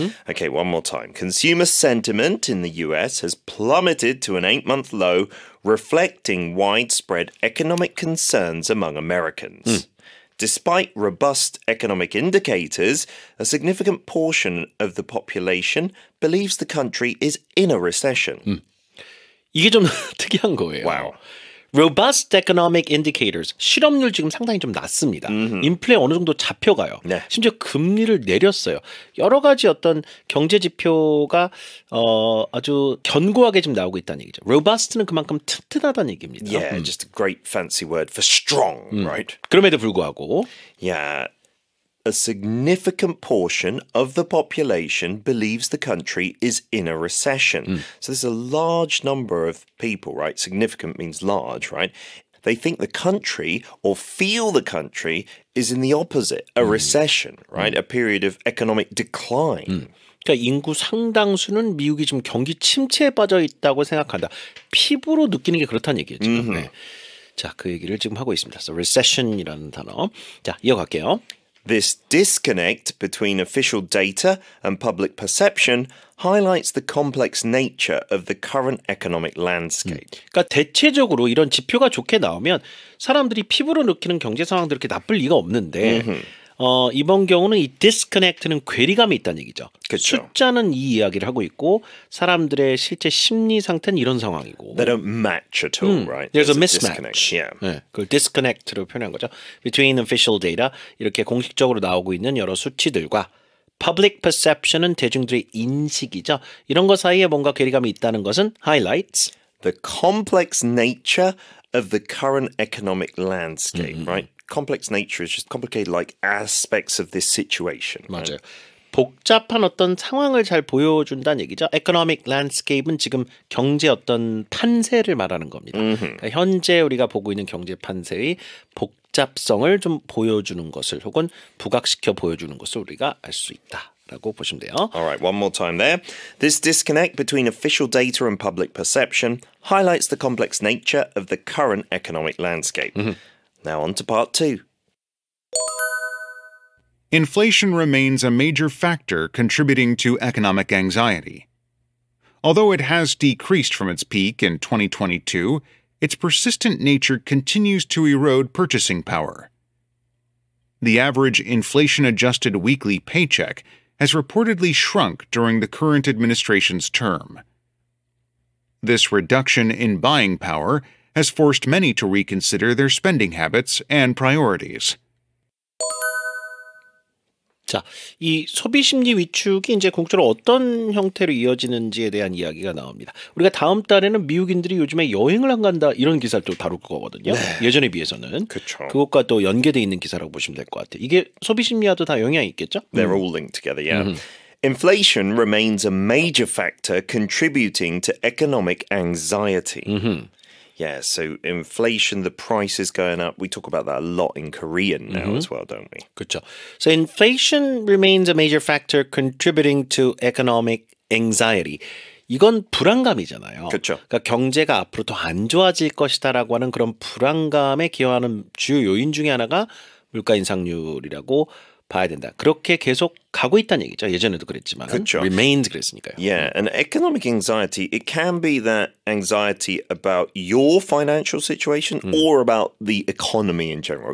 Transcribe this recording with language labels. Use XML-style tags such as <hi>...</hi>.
<en>Okay, one more time. Consumer sentiment in the US has plummeted to an 8-month low, reflecting widespread economic concerns among Americans. Despite robust economic indicators, a significant portion of the population believes the country is in a recession.</en> <ko>이게 좀 특이한 거예요.</ko> <en>Wow. Robust economic indicators.</en> <ko>실업률 지금 상당히 좀 낮습니다. 인플레 어느 정도 잡혀가요. 네. 심지어 금리를 내렸어요. 여러 가지 어떤 경제 지표가 아주 견고하게 지금 나오고 있다는 얘기죠. Robust는 그만큼 튼튼하다는 얘기입니다.</ko> <en>Yeah, just a great fancy word for strong, right?</en> <ko>그럼에도 불구하고.</ko> <en>Yeah. A significant portion of the population believes the country is in a recession. So there's a large number of people, right? Significant means large, right? They think the country or feel the country is in the opposite, a recession, right? A period of economic decline.</en> <ko>그러니까 인구 상당수는 미국이 지금 경기 침체에 빠져 있다고 생각한다. 피부로 느끼는 게 그렇다는 얘기죠. 네. 자, 그 얘기를 지금 하고 있습니다. So recession이라는 단어. 자, 이어갈게요.</ko> <en>This disconnect between official data and public perception highlights the complex nature of the current economic landscape.</en> <ko>그러니까 대체적으로 이런 지표가 좋게 나오면 사람들이 피부로 느끼는 경제 상황도 이렇게 나쁠 리가 없는데 이번 경우는 이 disconnect는 괴리감이 있다는 얘기죠. 그쵸. 숫자는 이 이야기를 하고 있고 사람들의 실제 심리 상태는 이런 상황이고.</ko> <en>They don't match at all, right? There's a mismatch. Disconnect. Yeah.</en> <ko>네, 그걸 disconnect로 표현한 거죠.</ko> <en>Between official data,</en> <ko>이렇게 공식적으로 나오고 있는 여러 수치들과 public perception은 대중들의 인식이죠. 이런 것 사이에 뭔가 괴리감이 있다는 것은 highlights.</ko> <en>The complex nature of the current economic landscape, right? Complex nature is just complicated, like aspects of this situation.</en> <ko>맞아요.</ko> <en>Right?</en> <ko>복잡한 어떤 상황을 잘 보여준다는 얘기죠. Economic landscape은 지금 경제 어떤 판세를 말하는 겁니다. 그러니까 현재 우리가 보고 있는 경제 판세의 복잡성을 좀 보여주는 것을 혹은 부각시켜 보여주는 것을 우리가 알 수 있다. 라고 보시면 돼요.</ko> <en>All right, one more time there. This disconnect between official data and public perception highlights the complex nature of the current economic landscape. Now on to part two. Inflation remains a major factor contributing to economic anxiety. Although it has decreased from its peak in 2022, its persistent nature continues to erode purchasing power. The average inflation-adjusted weekly paycheck has reportedly shrunk during the current administration's term. This reduction in buying power has forced many to reconsider their spending habits and priorities.</en> <ko>자, 이 소비 심리 위축이 이제 궁극적으로 어떤 형태로 이어지는지에 대한 이야기가 나옵니다. 우리가 다음 달에는 미국인들이 요즘에 여행을 안 간다 이런 기사를 또 다룰 거거든요. 네. 예전에 비해서는. 그쵸. 그것과 또 연계되어 있는 기사라고 보시면 될 것 같아요. 이게 소비 심리와도 다 영향이 있겠죠?</ko> <en>They're all linked together, yeah. Inflation remains a major factor contributing to economic anxiety. Yeah, so inflation, the price is going up. We talk about that a lot in Korean now as well, don't we?</en> <ko>그렇죠.</ko> <en>So inflation remains a major factor contributing to economic anxiety.</en> <ko>이건 불안감이잖아요. 그렇죠. 그러니까 경제가 앞으로 더 안 좋아질 것이다라고 하는 그런 불안감에 기여하는 주요 요인 중에 하나가 물가 인상률이라고 봐야 된다. 그렇게 계속 가고 있다는 얘기죠. 예전에도 그랬지만. 그렇죠. Remains 그랬으니까요.</ko> <en>Yeah, and economic anxiety, it can be that anxiety about your financial situation or about the economy in general.</en>